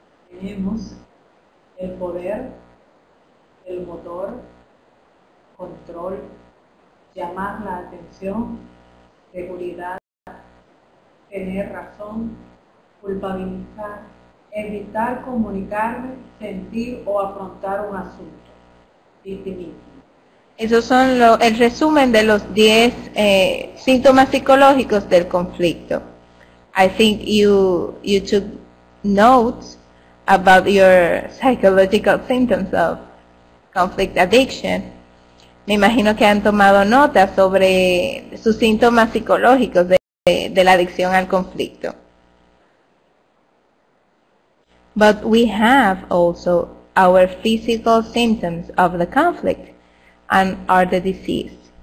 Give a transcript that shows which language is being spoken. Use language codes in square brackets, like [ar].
[es] Tenemos el poder, el motor, control, llamar la atención, seguridad, tener razón, culpabilizar, evitar comunicarme, sentir o afrontar un asunto, victimismo. Esos son el resumen de los 10 síntomas psicológicos del conflicto. [en] I think you took notes about your psychological symptoms of conflict addiction. [es] Me imagino que han tomado notas sobre sus síntomas psicológicos de la adicción al conflicto. [en] But we have also our physical symptoms of the conflict and are the disease.